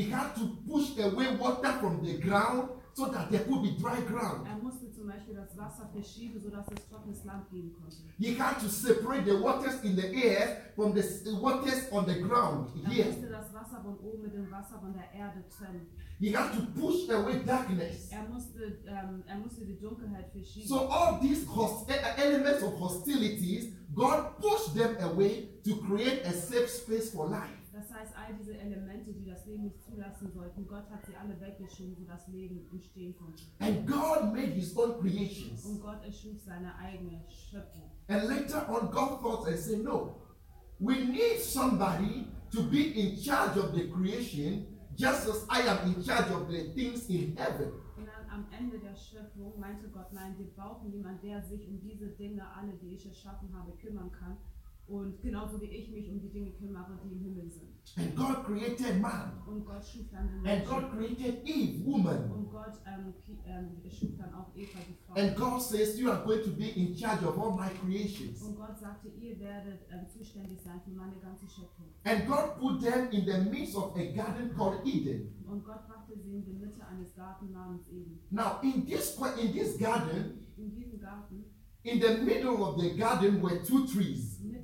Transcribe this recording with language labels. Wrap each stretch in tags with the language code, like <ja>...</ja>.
<en>He had to push away water from the ground so that there could be dry ground.</en> <de>Er musste zum Beispiel das Wasser verschieben, sodass es trockenes Land geben konnte.</de> <en>He had to separate the waters in the air from the waters on the ground here.</en> <de>Er musste das Wasser von oben mit dem Wasser von der Erde trennen.</de> <en>He had to push away darkness.</en> <de>Er musste die Dunkelheit verschieben.</de> <en>So all these elements of hostilities, God pushed them away to create a safe space for life.</en> <de>Das heißt, all diese Elemente, die das Leben nicht zulassen sollten, Gott hat sie alle weggeschoben, so das Leben entstehen konnte.</de> <en>And God made His own creations.</en> <de>Und Gott erschuf seine eigene Schöpfung.</de> <en>And later on, God thought and said, "No, we need somebody to be in charge of the creation, just as I am in charge of the things in heaven."</en> <de>Am Ende der Schöpfung meinte Gott, nein, wir brauchen jemanden, der sich um diese Dinge alle, die ich erschaffen habe, kümmern kann. Und genauso wie ich mich um die Dinge kümmere, die im Himmel sind.</de> <en>And God created man.</en> <de>Und Gott schuf dann den Menschen.</de> <en>And God created Eve, woman.</en> <de>Und Gott schuf dann auch Eva, die Frau.</de> <en>And God says, you are going to be in charge of all my creations.</en> <de>Und Gott sagte, ihr werdet zuständig sein für meine ganze Schöpfung.</de> <en>And God put them in the midst of a garden called Eden.</en> <de>Und Gott brachte sie in die Mitte eines Gartens namens Eden.</de> <en>Now in this garden,</en> <de>in diesem Garten,</de> <en>in the middle of the garden were two trees.</en>